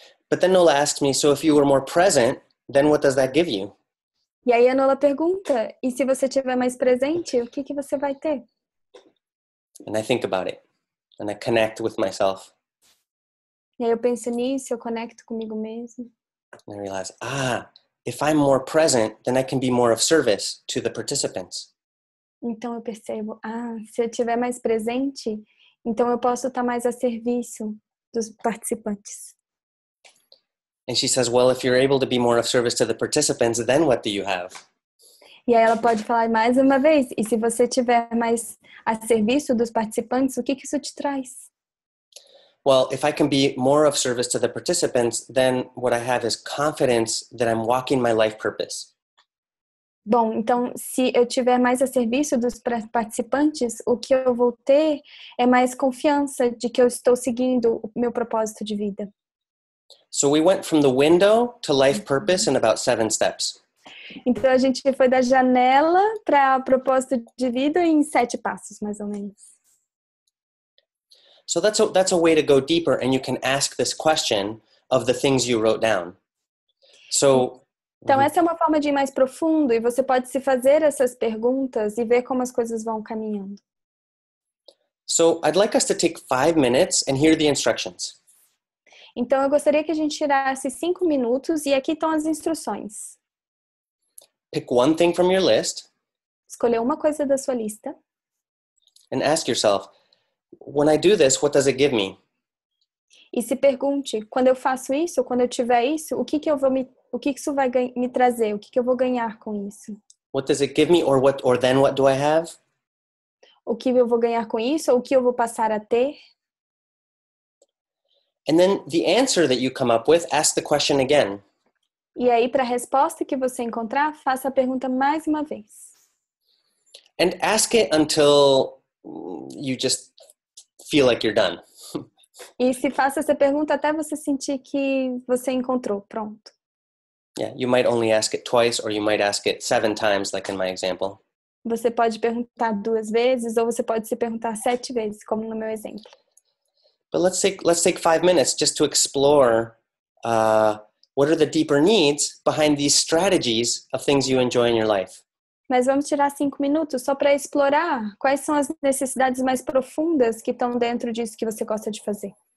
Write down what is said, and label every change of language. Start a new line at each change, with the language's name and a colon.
English: But then Nola asked me, so if you were more present, then what does that give you?
Portuguese: E aí a Nola pergunta, e se você tiver mais presente, o que que você vai ter?
English: And I think about it. And I connect with myself.
Portuguese: E aí eu penso nisso, eu conecto comigo mesmo.
English: And I realize, ah, if I'm more present, then I can be more of service to the participants.
Portuguese: Então eu percebo, ah, se eu tiver mais presente, então eu posso estar mais a serviço dos participantes.
English: And she says, well, if you're able to be more of service to the participants, then what do you have?
Portuguese: E aí ela pode falar mais uma vez, e se você tiver mais a serviço dos participantes, o que que isso te traz?
English: Well, if I can be more of service to the participants, then what I have is confidence that I'm walking my life purpose.
Portuguese: Bom, então, se eu tiver mais a serviço dos participantes, o que eu vou ter é mais confiança de que eu estou seguindo o meu propósito de vida.
English: So we went from the window to life purpose in about 7 steps.
Portuguese: Então, a gente foi da janela para o propósito de vida em 7 passos, mais ou menos.
English: So that's a way to go deeper, and you can ask this question of the things you wrote down. So...
Portuguese: Então, essa é uma forma de ir mais profundo e você pode se fazer essas perguntas e ver como as coisas vão caminhando.
English: So, I'd like us to take 5 minutes and hear the instructions.
Portuguese: Então, eu gostaria que a gente tirasse 5 minutos e aqui estão as instruções.
English: Pick one thing from your list.
Portuguese: Escolher uma coisa da sua lista.
English: And ask yourself, when I do this, what does it give me?
Portuguese: E se pergunte, quando eu faço isso, quando eu tiver isso, o que isso vai me trazer? O que que eu vou ganhar com isso?
English: What does it give me, or then what do I have?
Portuguese: O que eu vou ganhar com isso, ou o que eu vou passar a ter?
English: And then the answer that you come up with, ask the question again.
Portuguese: E aí, para a resposta que você encontrar, faça a pergunta mais uma vez.
English: And ask it until you just feel like you're done.
Portuguese: E se faça essa pergunta até você sentir que você encontrou, pronto.
English: Yeah, you might only ask it twice, or you might ask it 7 times, like in my example.
Portuguese: Você pode perguntar 2 vezes, ou você pode se perguntar 7 vezes, como no meu exemplo.
English: But let's take 5 minutes just to explore what are the deeper needs behind these strategies of things you enjoy in your life.
Portuguese: Mas vamos tirar 5 minutos só para explorar quais são as necessidades mais profundas que estão dentro disso que você gosta de fazer.